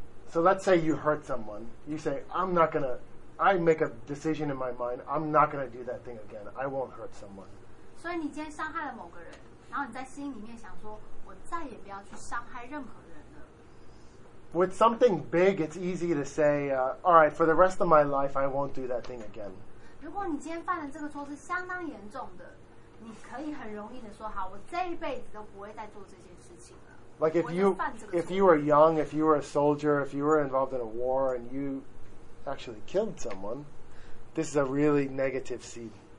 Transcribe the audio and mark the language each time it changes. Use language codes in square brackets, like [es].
[en] So let's say you hurt someone. You say, I make a decision in my mind, I'm not going to do that thing again. I won't hurt someone. [zh] 所以你今天伤害了某个人，然后你在心里面想说，我再也不要去伤害任何人了。 [en] With something big, it's easy to say, alright, for the rest of my life, I won't do that thing again. [zh] 如果你今天犯的这个错是相当严重的，你可以很容易的说，好，我这一辈子都不会再做这件事情了。 [en] Like if you were young, if you were a soldier, if you were involved in a war, and you actually killed someone, this is a really negative seed.